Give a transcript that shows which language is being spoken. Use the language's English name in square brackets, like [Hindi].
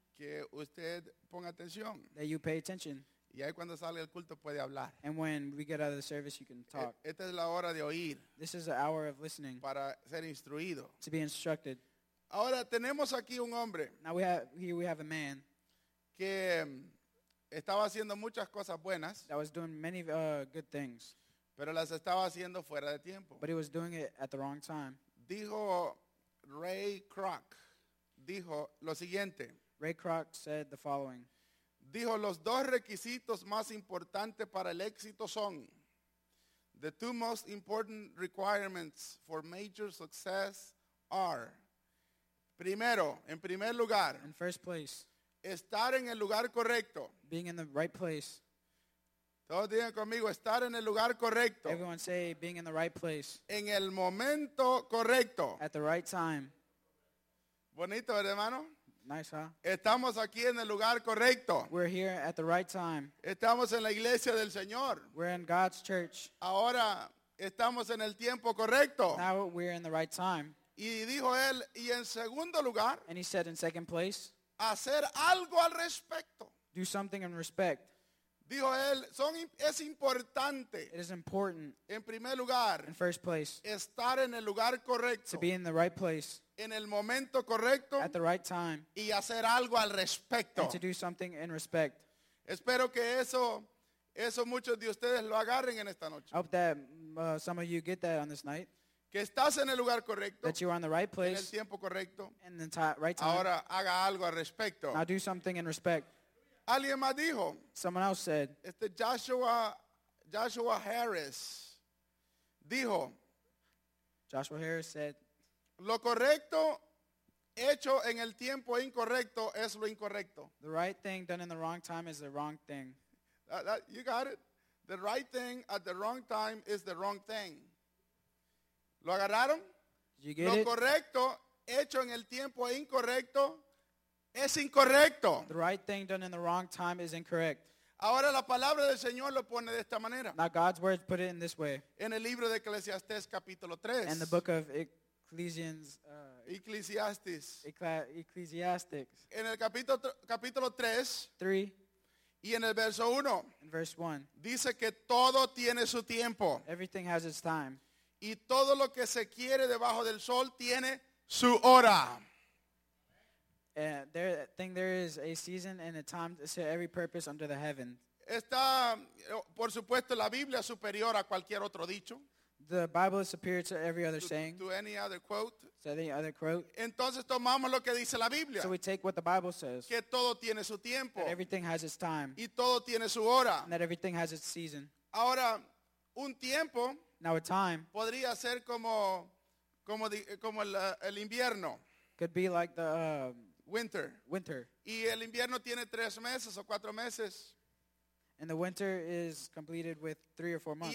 [Spanish] que usted ponga atención, [English] that you pay attention. [Spanish] Y ahí cuando sale el culto puede hablar. [English] And when we get out of the service, you can talk. [Spanish] Esta es la hora de oír. [English] This is the hour of listening. [Spanish] Para ser instruido. [English] To be instructed. [Spanish] Ahora tenemos aquí un hombre. [English] Now we have a man. [Spanish] Que estaba haciendo muchas cosas buenas. [English] That was doing many good things. [Spanish] Pero las estaba haciendo fuera de tiempo. [English] But he was doing it at the wrong time. [Spanish] Dijo Ray Kroc. Dijo lo siguiente. [English] Ray Kroc said the following. [Spanish] Dijo, los dos requisitos más importantes para el éxito son [English] the two most important requirements for major success are [Spanish] primero, en primer lugar, [English] in first place, [Spanish] estar en el lugar correcto. [English] Being in the right place. [Spanish] Todos digan conmigo, estar en el lugar correcto. [English] Everyone say, being in the right place. [Spanish] En el momento correcto. [English] At the right time. [Spanish] Bonito, ¿verdad, hermano? [English] Nice, huh? [Spanish] Estamos aquí en el lugar correcto. [English] We're here at the right time. [Spanish] Estamos en la iglesia del Señor. [English] We're in God's church. [Spanish] Ahora estamos en el tiempo correcto. [English] Now we're in the right time. [Spanish] Y dijo él, y en segundo lugar, [English] and he said in second place, [Spanish] hacer algo al respecto. [English] Do something in respect. [Spanish] Dijo él, es importante. [English] It is important. [Spanish] En primer lugar, [English] in first place, [Spanish] estar en el lugar correcto. [English] To be in the right place. [Spanish] En el momento correcto, [English] at the right time, [Spanish] y hacer algo al respecto. [English] And to do something in respect. [Spanish] Espero que eso muchos de ustedes lo agarren en esta noche. [English] I hope that some of you get that on this night. [Spanish] Que estás en el lugar correcto, [English] that you are in the right place, [Spanish] en el tiempo correcto, [English] in the right time. [Spanish] Ahora haga algo al respecto. [English] Now do something in respect. [Spanish] Alguien más dijo. [English] Someone else said. [Spanish] Este Joshua Harris dijo. [English] Joshua Harris said. [Spanish] Lo correcto hecho en el tiempo incorrecto es lo incorrecto. [English] The right thing done in the wrong time is the wrong thing. You got it? The right thing at the wrong time is the wrong thing. [Spanish] ¿Lo agarraron? [English] You get [Spanish] lo [English] it? [Spanish] Lo correcto hecho en el tiempo incorrecto es incorrecto. [English] The right thing done in the wrong time is incorrect. [Spanish] Ahora la palabra del Señor lo pone de esta manera. [English] Now God's word put it in this way. [Spanish] En el libro de Eclesiastés capítulo 3. [English] In the book of Ecclesians, Ecclesiastes. Ecclesiastics. [Spanish] En el capítulo 3. 3. Y en el verso 1. [English] In verse 1. [Spanish] Dice que todo tiene su tiempo. [English] Everything has its time. [Spanish] Y todo lo que se quiere debajo del sol tiene su hora. [English] And there thing there is a season and a time to every purpose under the heaven. [Spanish] Está, por supuesto, la Biblia superior a cualquier otro dicho. [English] The Bible is superior to every other saying. To any other quote. To any other quote. [Spanish] Entonces tomamos lo que dice la Biblia. [English] So we take what the Bible says. [Spanish] Que todo tiene su tiempo. [English] That everything has its time. [Spanish] Y todo tiene su hora. [English] And that everything has its season. [Spanish] Ahora, un tiempo. [English] Now a time. [Spanish] Podría ser como el invierno. [English] Could be like the winter. Winter. [Spanish] Y el invierno tiene tres meses o cuatro meses. [English] And the winter is completed with 3 or 4 months.